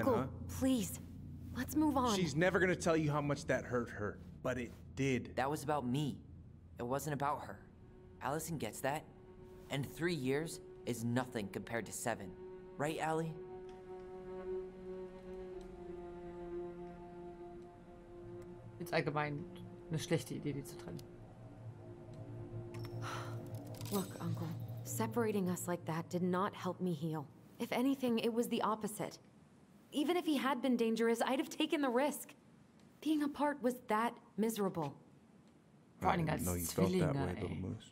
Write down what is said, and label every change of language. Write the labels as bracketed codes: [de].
[en] Uncle, please. Let's move on. She's never gonna tell you how much that hurt her. But it did. That was about me. It wasn't about her. Allison gets that. And 3 years is nothing compared to 7. Right, Allie? [de] jetzt allgemein eine schlechte Idee, die zu trennen. [en] Look, Uncle, separating us like that did not help me heal. If anything, it was the opposite. Even if he had been dangerous, I'd have taken the risk. Being apart was that miserable. [de] Vor allem als Zwillinge, ey.